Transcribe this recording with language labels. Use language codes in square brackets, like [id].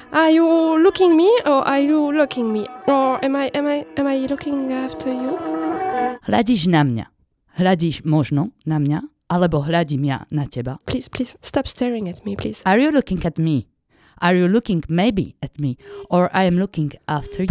[en] Are you looking me or are you looking me? Or am I looking after you? [sk] Hľadíš na mňa. Hľadíš možno na mňa, alebo hľadím ja na teba. [en] Please, stop staring at me, please. Are you looking at me? Are you looking maybe at me? Or I am looking after you?